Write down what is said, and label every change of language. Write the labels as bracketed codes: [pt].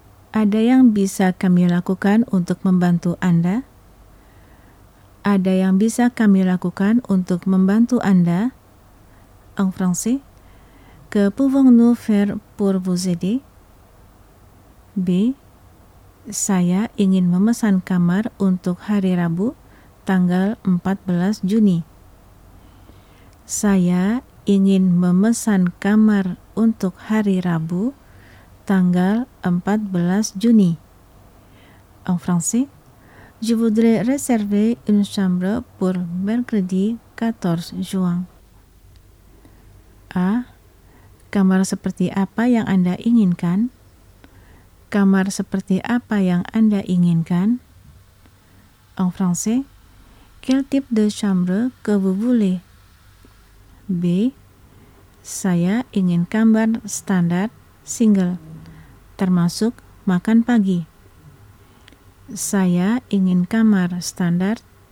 [id] Ada yang bisa kami lakukan untuk membantu Anda? Ada yang bisa kami lakukan untuk membantu Anda? [fr] En français, que pouvons-nous faire pour vous aider? B. [id] Saya ingin memesan kamar untuk hari Rabu, tanggal 14 Juni. Saya ingin memesan kamar untuk hari Rabu, tanggal 14 Juni. [fr] En français, je voudrais réserver une chambre pour mercredi 14 juin. A. [id] Kamar seperti apa yang Anda inginkan? Kamar seperti apa yang Anda inginkan? [fr] En français, quel type de chambre que vous voulez? [id] B. Saya ingin kamar standar single, termasuk makan pagi. Saya ingin kamar standar